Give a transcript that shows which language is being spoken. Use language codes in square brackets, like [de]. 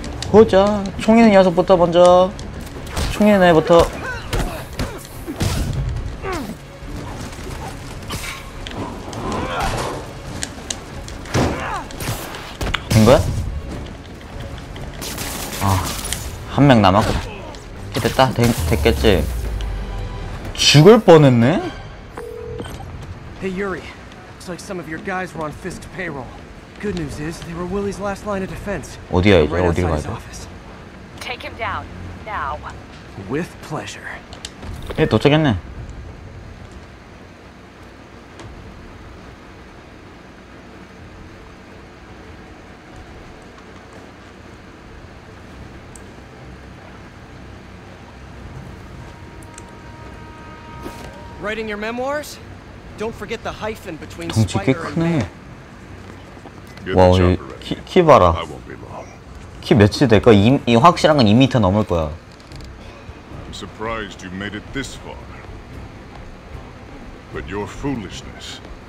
[ko] 보자 총 있는 녀석부터 먼저 총 있는 애부터 된 거야? 아 한 명 남았구나 됐다 됐겠지 죽을 뻔했네. [en] Hey Yuri, looks like some of your guys were on Fisk's payroll. Good news is they were Willy's last line of defense. [ko] 어디야 이제 어디 가야 돼? [en] Take him down now. With pleasure. [ko] 예, 도착했네. [en] writing your memoirs don't forget the hyphen between [ko] 덩치 꽤 크네 와 키 봐라 키 몇이 될까 이 확실한 건 2m 넘을 거야 [en] I'm surprised you made it this far but your foolishness